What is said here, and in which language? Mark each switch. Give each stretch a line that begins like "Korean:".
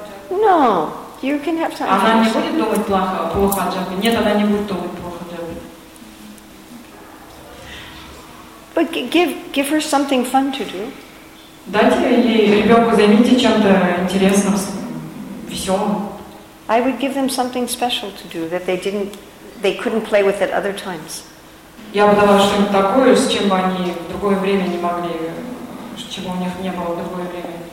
English: No, you can have time.
Russian: Она не будет думать плохо о джапе. Нет, она не будет думать плохо о джапе.
English: But give her something fun to do.
Russian: Дайте ей ребенку займите чем-то интересным, веселым.
English: I would give them something special to do that they couldn't play with at other times.
Russian: Я бы дала что-нибудь такое, с чем бы они в другое время не могли, с чего у них не было в другое время.